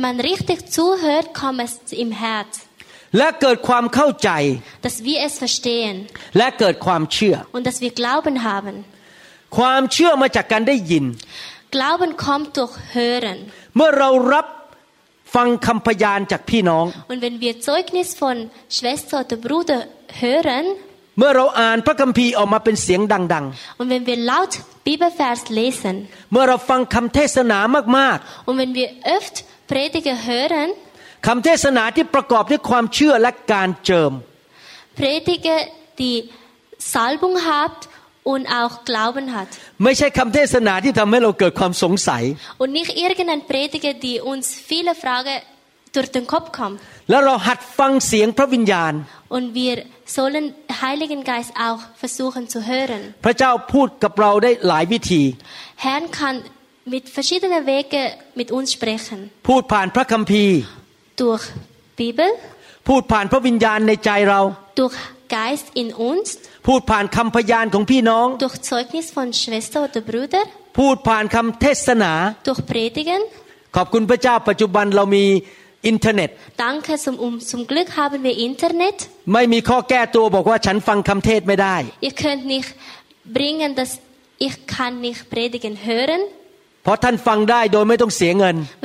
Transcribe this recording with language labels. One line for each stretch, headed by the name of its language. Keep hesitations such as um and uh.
German: man richtig zuhört, kommt es im Herzen.
Thai: และเกิดความเข้าใจ
German: dass wir es verstehen
Thai: และเกิดความเชื่อ
German: und dass wir glauben haben
Thai: ความเชื่อมาจากการได้ยิน
German: glauben kommt durch hören
Thai: เมื่อเรารับฟังคําพยานจากพี่น้อง
German: und wenn wir zeugnis von schwester oder bruder hören
Thai: เมื่อเราอ่านพระคัมภีร์ออกมาเป็นเสียงดังๆ
German: Und wenn wir laut Bibelvers lesen
Thai: เมื่อเราฟังคําเทศนามากๆ
German: Und wenn wir öft Prediger hören
Thai: คําเทศนาที่ประกอบด้วยความเชื่อและการเจิม
German: predige die salbung habt und auch glauben hat
Thai: ไม่ใช่คําเทศนาที่ทําให้เราเกิดความสงสัย
German: und nicht irgendein predige die uns viele frage durch den kopf kommt
Thai: แล้วเราหัดฟังเสียงพระวิญญาณ
German: und wir sollen heiligen geist auch versuchen zu hören
Thai: พระเจ้าพูดกับเราได้หลายวิธี
German: herr kann mit verschiedenen wege mit uns sprechen
Thai: พูดผ่านพระคัมภีร์
German: durch Bibel
Thai: พูดผ่านพระวิญญาณในใจเรา
German: durch Geist in uns
Thai: พูดผ่านคำพยานของพี่น้อง
German: durch Zeugnis von Schwester oder Bruder
Thai: พูดผ่านคำเทศนา
German: durch Predigen
Thai: ขอบคุณพระเจ้าปัจจุบันเรามีอินเทอร์เน็ต
German: Danke zum um zum Glück haben wir Internet
Thai: ไม่มีข้อแก้ตัวบอกว่าฉันฟังคำเทศไม่ได้
German: Ich könnt nicht bringen dass ich kann nicht predigen hören
Thai: พราะท่านฟังได้โดยไม่ต้องเสียเงิน